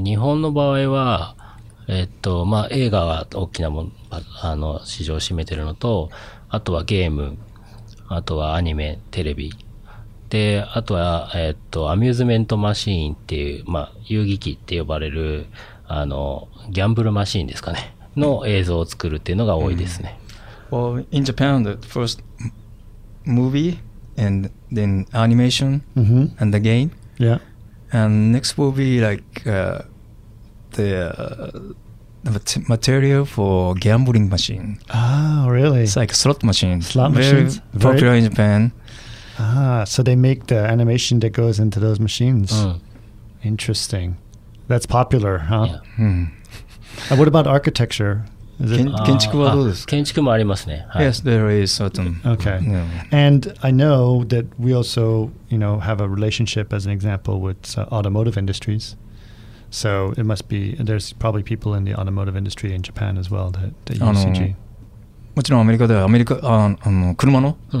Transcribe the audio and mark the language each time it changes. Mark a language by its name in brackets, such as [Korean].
[Japanese] 日本の場合は、まあ、映画は大きなも、市場を占めてるのと、あとはゲーム、あとはアニメ、テレビ。で、あとは、アミューズメントマシーンっていう、まあ、遊戯機って呼ばれる、ギャンブルマシーンですかね。の映像を作るっていうのが多いですね。 Mm-hmm. [English] Well, in Japan, the first movie, and then animation,、mm-hmm. and the game. Yeah. And next will be like the material for gambling machine. Ah, really? It's like slot machine. Slot machines? Very popular in Japan. Ah, so they make the animation that goes into those machines. Interesting. That's popular, huh? Yeah. And what about architecture? Is it [Japanese] 建築はどうですか? 建築もありますね。はい。 [English] Yes, there is certain. Okay. Yeah. And I know that we also, have a relationship as an example with automotive industries. So it must be, there's probably people in the automotive industry in Japan as well that use CG. [Japanese] もちろんアメリカでは、車の、